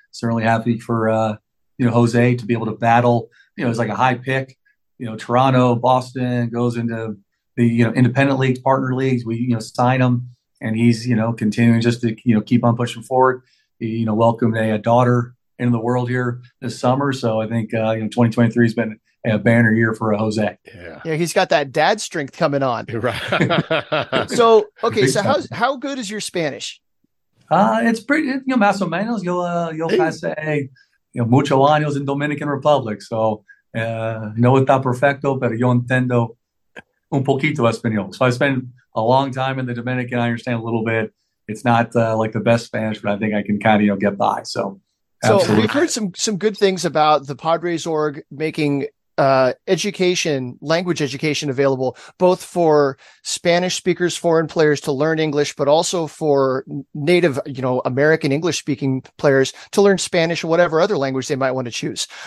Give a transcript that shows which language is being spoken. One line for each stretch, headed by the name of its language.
English: Certainly happy for, you know, Jose to be able to battle, you know, it's like a high pick, you know, Toronto, Boston, goes into the, you know, independent leagues, partner leagues, we, you know, sign him, and he's, you know, continuing just to, you know, keep on pushing forward. He, you know, welcomed a daughter into the world here this summer. So I think, you know, 2023 has been a banner year for Jose. Yeah, he's got that dad strength coming on. Right. So, okay. So how good is your Spanish? It's pretty, you know,
Spanish: más o menos.
English: You'll kind of say, you know,
Spanish: mucho años
English: in Dominican Republic.
Spanish: So, no está perfecto, pero yo entiendo un poquito español.
English: So I spent a long time in the Dominican. I understand a little bit. It's not like the best Spanish, but I think I can kind of, you know, get by. So, absolutely. So we've heard some good things about the Padres org making education, language education available, both for Spanish speakers, foreign players to learn English, but also for native, you know, American English speaking players to learn Spanish or whatever other language they might want to choose.